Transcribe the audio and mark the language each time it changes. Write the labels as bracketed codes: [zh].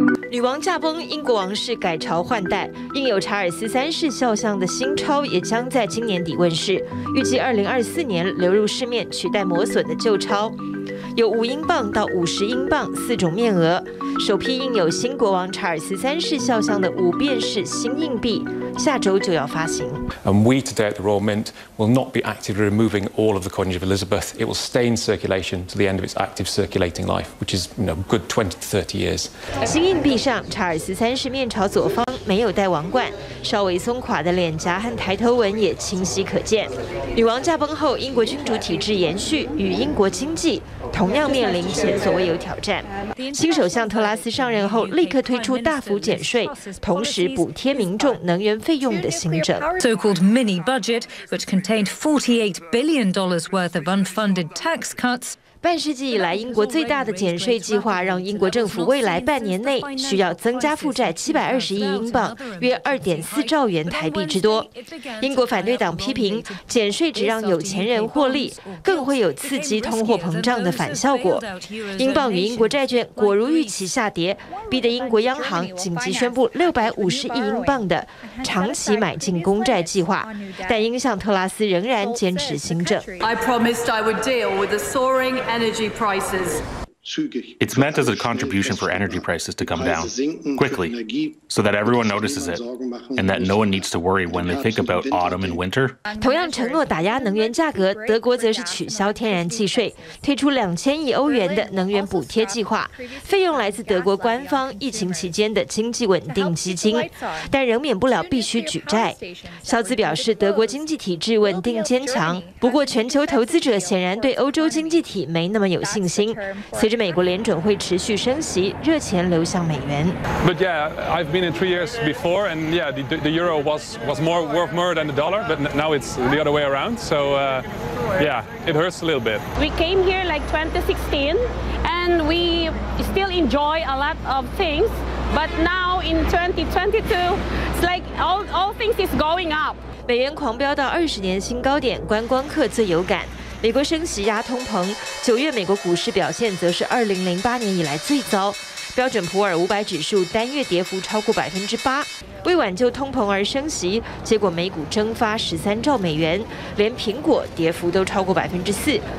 [zh] 女王驾崩，英国王室改朝换代，印有查尔斯三世肖像的新钞也将在今年底问世，预计2024年流入市面，取代磨损的旧钞。有5英镑到50英镑4种面额，首批印有新国王查尔斯三世肖像的5便士新硬币，下周就要发行。 [en] And we today at the Royal Mint will not be actively removing all of the coinage of Elizabeth. It will stay in circulation to the end of its active circulating life, which is, you know, good 20 to 30 years. [zh] 新硬币上，查尔斯三世面朝左方，没有戴王冠，稍微松垮的脸颊和抬头纹也清晰可见。女王驾崩后，英国君主体制延续与英国经济。同样面临前所未有挑战。新首相特拉斯上任后，立刻推出大幅减税，同时补贴民众能源费用的新政。 [en] So-called mini budget, which contained $48 billion worth of unfunded tax cuts. [zh] 半世纪以来，英国最大的减税计划让英国政府未来半年内需要增加负债720亿英镑，约2.4兆元台币之多。英国反对党批评减税只让有钱人获利，更会有刺激通货膨胀的反效果。英镑与英国债券果如预期下跌，逼得英国央行紧急宣布650亿英镑的长期买进公债计划。但英相特拉斯仍然坚持新政。 [en] I promised I would deal with the soaring. Energy prices. It's meant as a contribution for energy prices to come down quickly so that everyone notices it and that no one needs to worry when they think about autumn and winter. [zh] 同样承诺打压能源价格，德国则是取消天然气税，推出2000亿欧元的能源补贴计划，费用来自德国官方疫情期间的经济稳定基金，但仍免不了必须举债。肖兹表示，德国经济体制稳定坚强，不过全球投资者显然对欧洲经济体没那么有信心。随着美国联准会持续升息，热钱流向美元。 [en] But yeah, I've been in 3 years before, and yeah, the euro was more worth more than the dollar, but now it's the other way around. So, yeah, it hurts a little bit. We came here like 2016, and we still enjoy a lot of things, but now in 2022, it's like all things is going up. [zh] 美元狂飙到二十年新高点，观光客最有感。美国升息压通膨，九月美国股市表现则是2008年以来最糟，标准普尔500指数单月跌幅超过8%。为挽救通膨而升息，结果美股蒸发13兆美元，连苹果跌幅都超过4%。